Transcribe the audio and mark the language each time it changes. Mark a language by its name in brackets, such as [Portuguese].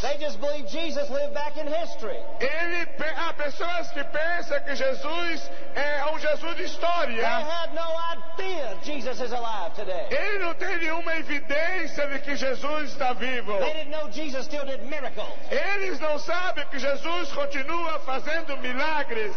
[English] They just believe Jesus lived back in history. [Portuguese] Há pessoas que pensam que Jesus é Jesus de história. [English] They had no idea Jesus is alive today. [Portuguese] Ele não tem nenhuma evidência de que Jesus está vivo. [English] They didn't know Jesus still did miracles. [Portuguese] Eles não sabem que Jesus continua fazendo milagres.